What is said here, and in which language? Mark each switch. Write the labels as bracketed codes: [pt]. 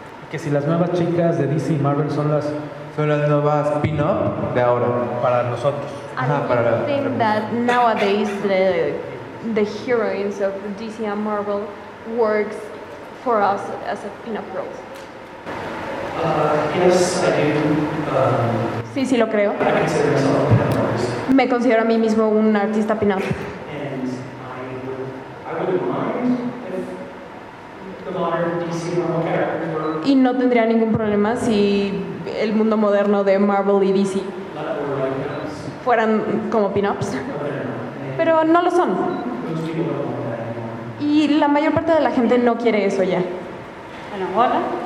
[es] Que si las nuevas chicas de DC y Marvel son las nuevas pin-up de ahora para nosotros. [en] The heroines of DC and Marvel works for us as a pin-up girls. Yes, I do. [es] Sí, sí lo creo. [en] I consider myself a pin-up artist. [es] Me considero a mí mismo un artista pin-up. [en] And I would mind if the modern DC and Marvel characters were. [es] Y no tendría ningún problema si el mundo moderno de Marvel y DC fueran como pin-ups. Pero no lo son. Y la mayor parte de la gente no quiere eso ya. Bueno, hola.